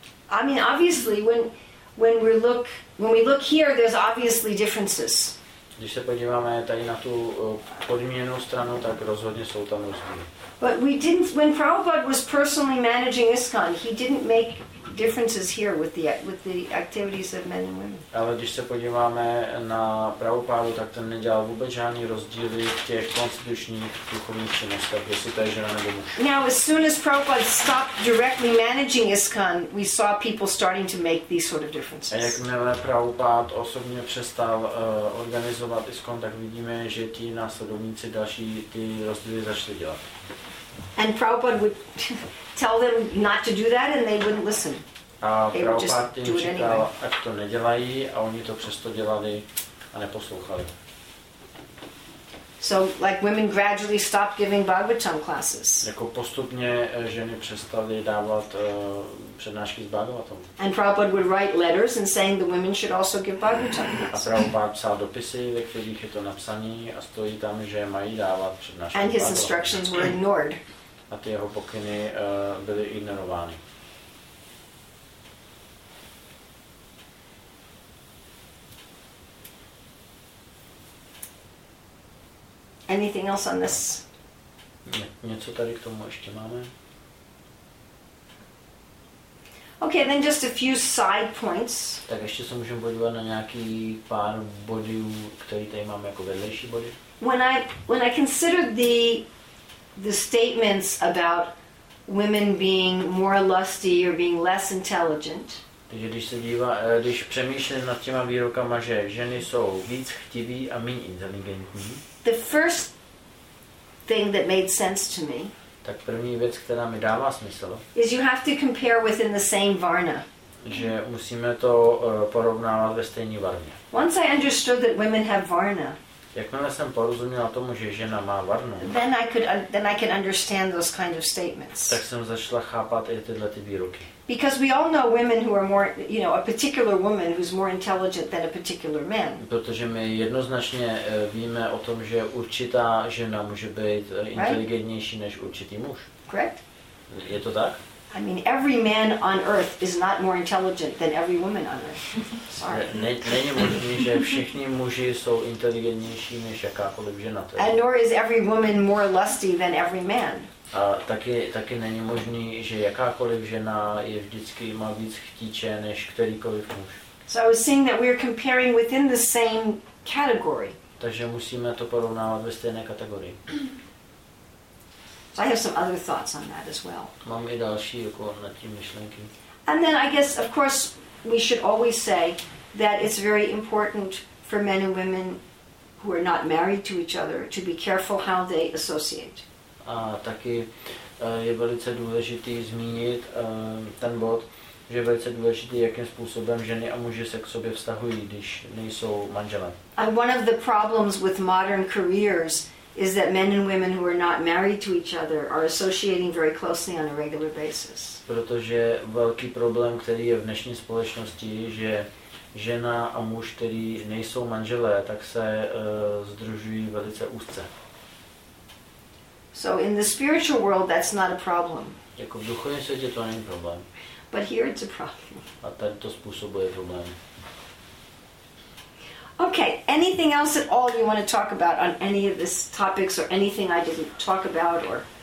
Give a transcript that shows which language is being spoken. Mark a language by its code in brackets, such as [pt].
[en] I mean, obviously, when we look here, there's obviously differences. [cs] Když se podíváme tady na tu podmíněnou stranu, tak rozhodně jsou tam rozdíly. [en] But we didn't, when Prabhupada was personally managing ISKCON, he didn't make differences here with the activities of men and women. [cs] Ale když se podíváme na Prabhupádu, tak ten nedělal vůbec žádný rozdíly v těch konstitučních duchovních činnostech, jestli to je žena nebo muž. [en] Now, as soon as Prabhupada stopped directly managing ISKCON, we saw people starting to make these sort of differences. [cs] A jakmile Prabhupád osobně přestal organizovat ISKCON, tak vidíme, že ti následovníci další ty rozdíly začali dělat. [en] And Prabhupada would tell them not to do that, and they wouldn't listen. [cs] A Prabhupada jim říkal, ať to nedělají, a oni to přesto dělali a neposlouchali. [en] So, like women gradually stopped giving Bhagavatam classes. [cs] Jako postupně ženy přestaly dávat přednášky s Bhagavatam. [en] And Prabhupada would write letters and saying the women should also give Bhagavatam classes. [cs] A Prabhupada psal dopisy, ve kterých je to napsané, a stojí tam, že mají dávat přednášky. [en] And his instructions were ignored. [cs] A ty jeho pokyny byly ignorovány. [en] Anything else on this? [cs] Něco tady k tomu ještě máme? [en] Okay, then just a few side points. [cs] Tak ještě se můžeme podívat na nějaký pár bodů, které tady máme jako vedlejší body. [en] When I consider the statements about women being more lusty or being less intelligent. [cs] Takže když přemýšlím nad těma výrokama, že ženy jsou víc chtivý a méně inteligentní. [en] The first thing that made sense to me. [cs] Tak první věc, která mi dává smysl. [en] Is you have to compare within the same varna. [cs] Že musíme to porovnávat ve stejné varně. [en] Once I understood that women have varna. [cs] Jakmile jsem porozuměl tomu, že žena má varnu. [en] Then I can understand those kind of statements. [cs] Tak jsem začala chápat i tyhle ty výroky. [en] Because we all know women who are more, you know, a particular woman who's more intelligent than a particular man. [cs] Protože my jednoznačně víme o tom, že určitá žena může být inteligentnější, [en] right? [cs] Než určitý muž. [en] Correct? [cs] Je to tak? [en] I mean, every man on earth is not more intelligent than every woman on earth. [cs] Není možné, že všichni muži jsou inteligentnější než jakákoliv žena. [en] And nor is every woman more lusty than every man. [cs] A taky není možný, že jakákoliv žena je vždycky má víc chtíče než kterýkoliv muž. [en] So I was saying that we are comparing within the same category. [cs] Takže musíme to porovnávat ve stejné kategorii. [en] So I have some other thoughts on that as well. [cs] Mám i další jako na tím myšlenky. [en] And then I guess, of course, we should always say that it's very important for men and women who are not married to each other to be careful how they associate. [cs] A taky je velice důležitý zmínit ten bod, že je velice důležitý, jakým způsobem ženy a muži se k sobě vztahují, když nejsou manželé. [en] And one of the problems with modern careers is that men and women who are not married to each other are associating very closely on a regular basis. [cs] Protože velký problém, který je v dnešní společnosti, že žena a muž, který nejsou manželé, tak se sdružují velice úzce. [en] So in the spiritual world that's not a problem. [cs] Jako v duchovním světě to není problém. [en] But here it's a problem. [cs] A tady to způsobuje problém. [en] Okay, anything else at all you want to talk about on any of these topics or anything I didn't talk about or